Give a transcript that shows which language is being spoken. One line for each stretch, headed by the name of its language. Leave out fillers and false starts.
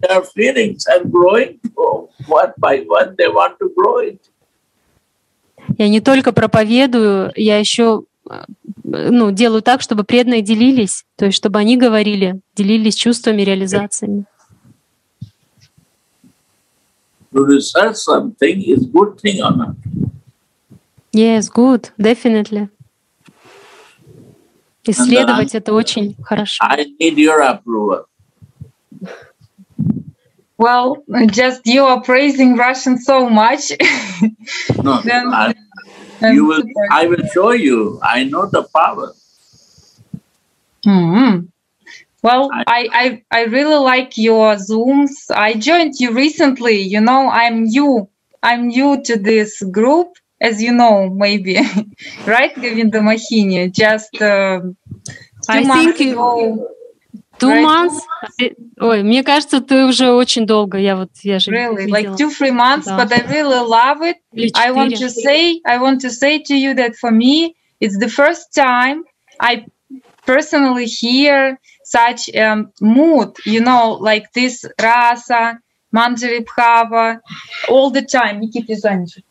English: their feelings and growing one by one they want to grow it.
Russian: Я не только проповедую, я еще ну, делаю так, чтобы преданные делились, то есть чтобы они говорили, делились чувствами, реализациями.
English: To research something is good thing or not? Yes, good, definitely.
Russian: Исследовать это очень хорошо.
English: I need your approval. Well, just you are praising Russian so much. No, then, I will show you. I know the power. Mm-hmm. Well, I really like your Zooms. I joined you recently. You know, I'm new to this group, as you know, maybe. Right, Govinda Mahini? Just two months ago. Two months?
Russian: Ой, мне кажется, ты уже очень долго. Я же
English: really? Like 2-3 months,
Russian: да.
English: But I really love it. I want to say to you that for me it's the first time I personally hear such mood, you know, like this rasa, manjari bhava all the time.